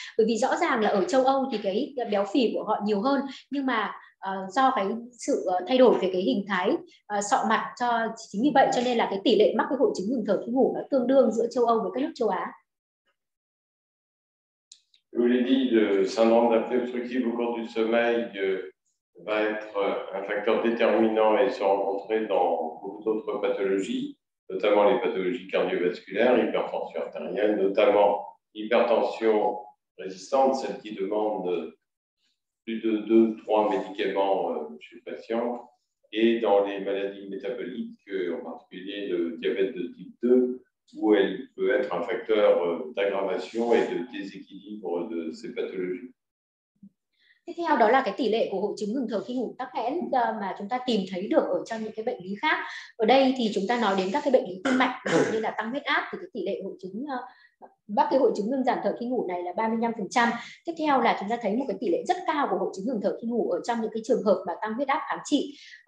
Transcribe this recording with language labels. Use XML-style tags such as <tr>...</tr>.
<vi>Bởi vì rõ ràng là ở châu Âu thì cái béo phì của họ nhiều hơn, nhưng mà do cái sự thay đổi về cái hình thái sọ mặt, cho chính vì vậy cho nên là cái tỷ lệ mắc cái hội chứng ngừng thở khi ngủ nó tương đương giữa châu Âu với các nước châu Á.</vi> <fr>Je vous l'ai dit, le syndrome d'apnée obstructive au cours du sommeil va être un facteur déterminant et se rencontrer dans beaucoup d'autres pathologies, notamment les pathologies cardiovasculaires, hypertension artérielle, notamment hypertension résistante, celle qui demande plus de 2-3 médicaments chez le patient, et dans les maladies métaboliques, en particulier le diabète de type 2, où elle peut être un facteur d'aggravation et de déséquilibre nombre de ces pathologies.</fr> <vi>Tiếp theo đó là cái tỷ lệ của hội chứng ngừng thở khi ngủ tắc nghẽn mà chúng ta tìm thấy được ở trong những cái bệnh lý khác. Ở đây thì chúng ta nói đến các cái bệnh lý tim mạch như là tăng huyết áp thì cái tỷ lệ hội chứng bắt cái hội chứng ngừng giảm thở khi ngủ này là 35%. Tiếp theo là chúng ta thấy một cái tỷ lệ rất cao của hội chứng ngừng thở khi ngủ ở trong những cái trường hợp mà tăng huyết áp kháng trị.</vi>